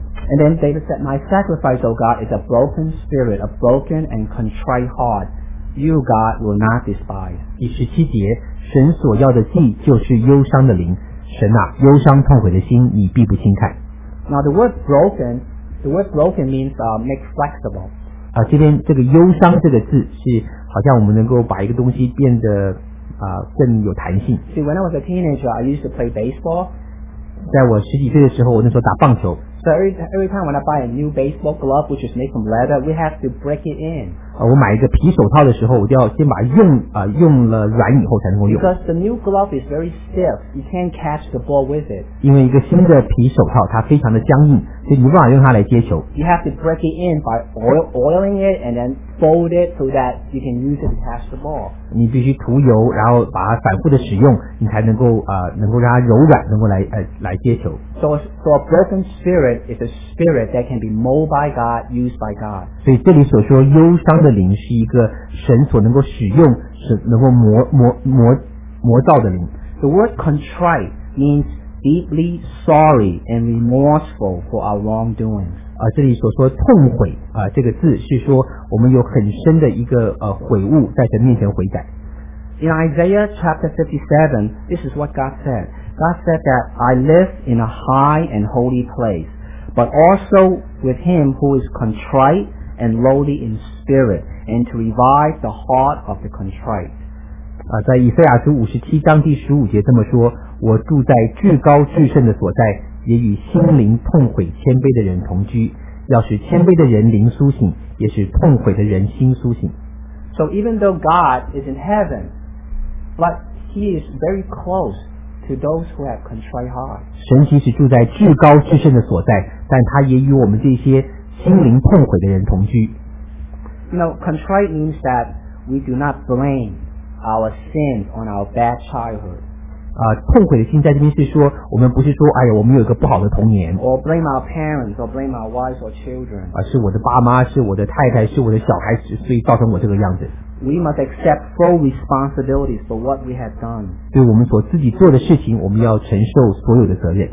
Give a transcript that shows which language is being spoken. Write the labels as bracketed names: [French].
[English] And then David said, "My sacrifice, O God, is a broken spirit, a broken and contrite heart. You, God, will not despise." [Chinese] 第十七节。神所要的祭就是忧伤的灵，神啊，忧伤痛悔的心，你必不轻看。 [English] Now the word broken means make flexible. [Chinese] 这边这个忧伤这个字是好像我们能够把一个东西变得更有弹性。 [English] See, when I was a teenager, I used to play baseball. [Chinese] 在我十几岁的时候，我那时候打棒球。 [English] So every time when I buy a new baseball glove, which is made from leather, we have to break it in. [Chinese] 我买一个皮手套的时候，我就要先把用用了软以后才能够用。 [English] Because the new glove is very stiff, you can't catch the ball with it. [Chinese] 因为一个新的皮手套它非常的僵硬，所以你无法用它来接球。 [English] You have to break it in by oiling it and then fold it so that you can use it to catch the ball. [Chinese] 你必须涂油，然后把它反复的使用，你才能够能够让它柔软，能够来接球。 [English] So a broken spirit is a spirit that can be molded by God, used by God. [Chinese] 所以这里所说忧伤的灵是一个神所能够使用，是能够磨造的灵。 [English] The word contrite means deeply sorry and remorseful for our wrongdoings. [Chinese] 这里所说痛悔这个字是说我们有很深的一个悔悟，在神面前悔改。 [English] In Isaiah chapter 57, this is what God said. God said that I live in a high and holy place, but also with him who is contrite and lowly in spirit, and to revive the heart of the contrite. [Chinese] 在以赛亚书57章第15节这么说，我住在至高至圣的所在，也与心灵痛悔谦卑的人同居，要使谦卑的人灵苏醒，也使痛悔的人心苏醒。 [English] So even though God is in heaven, but he is very close. To those who have contrite heart. [Chinese] 神其实住在至高至圣的所在，但他也与我们这些心灵痛悔的人同居。 [English] You know, contrite means that we do not blame our sins on our bad childhood. [Chinese] 痛悔的心在这边是说，我们不是说，哎呀，我们有一个不好的童年。 [English] Or blame our parents, or blame our wives or children. [Chinese] 是我的爸妈，是我的太太，是我的小孩，所以造成我这个样子。 [English] We must accept full responsibility for what we have done. [Chinese] 对我们所自己做的事情，我们要承受所有的责任。